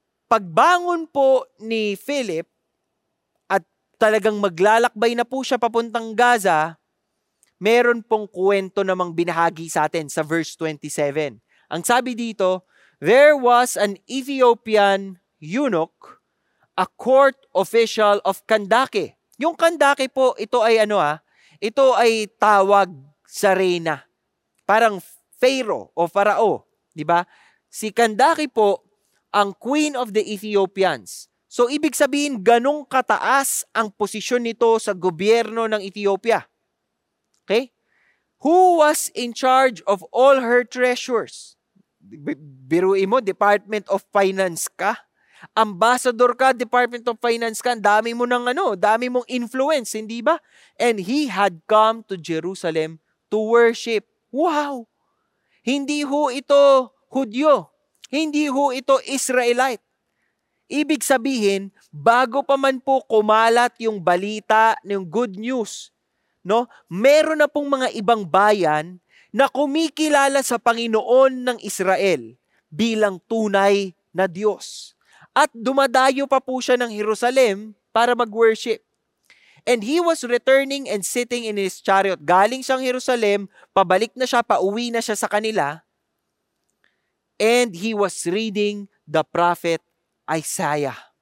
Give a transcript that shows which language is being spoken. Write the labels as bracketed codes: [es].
[tl] Pagbangon po ni Philip at talagang maglalakbay na po siya papuntang Gaza, meron pong kwento namang binahagi sa atin sa verse 27. Ang sabi dito, [en] "There was an Ethiopian eunuch, a court official of Kandake." [tl] Yung Kandake po, ito ay ano ah, ito ay tawag sa reyna. Parang pharaoh o farao, di ba? Si Kandake po, ang [en] queen of the Ethiopians. [tl] So ibig sabihin, ganong kataas ang posisyon nito sa gobyerno ng Ethiopia. Okay? [en] Who was in charge of all her treasures? [tl] Biruin mo, Department of Finance ka? ambassador ka, Department of Finance ka, dami mo ng ano, dami mong influence, hindi ba? [en] And he had come to Jerusalem to worship. [tl] Wow! Hindi ho ito Hudyo. Hindi ho ito Israelite. Ibig sabihin, bago pa man po kumalat yung balita, yung good news, no? Meron na pong mga ibang bayan na kumikilala sa Panginoon ng Israel bilang tunay na Diyos. At dumadayo pa po siya ng Jerusalem para mag-worship. [en] And he was returning and sitting in his chariot. [tl] Galing siyang Jerusalem, pabalik na siya, pauwi na siya sa kanila. [en] And he was reading the prophet Isaiah.